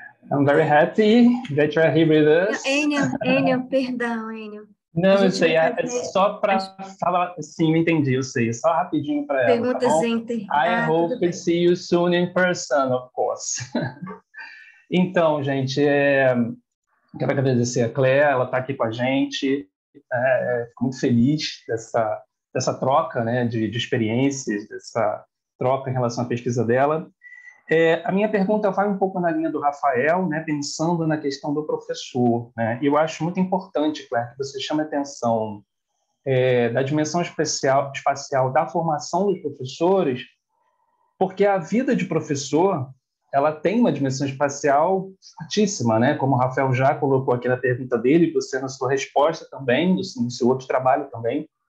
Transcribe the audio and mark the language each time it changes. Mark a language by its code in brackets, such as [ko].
[en] I'm very happy that you're here with us. [pt] Enio, perdão, Enio. Não, eu sei, é só para falar, sim, entendi, eu sei, só rapidinho para ela. Perguntas tá [en] I hope to see you soon in person, of course. [pt] Então, gente, quero agradecer a Clare, ela está aqui com a gente, fico muito feliz dessa troca, né, de experiências, dessa troca em relação à pesquisa dela. A minha pergunta vai um pouco na linha do Rafael, né, pensando na questão do professor, né, e eu acho muito importante, Clare, que você chame a atenção da dimensão espacial da formação dos professores, porque a vida de professor ela tem uma dimensão espacial fortíssima, né, como o Rafael já colocou aqui na pergunta dele, você na sua resposta também, no seu outro trabalho também.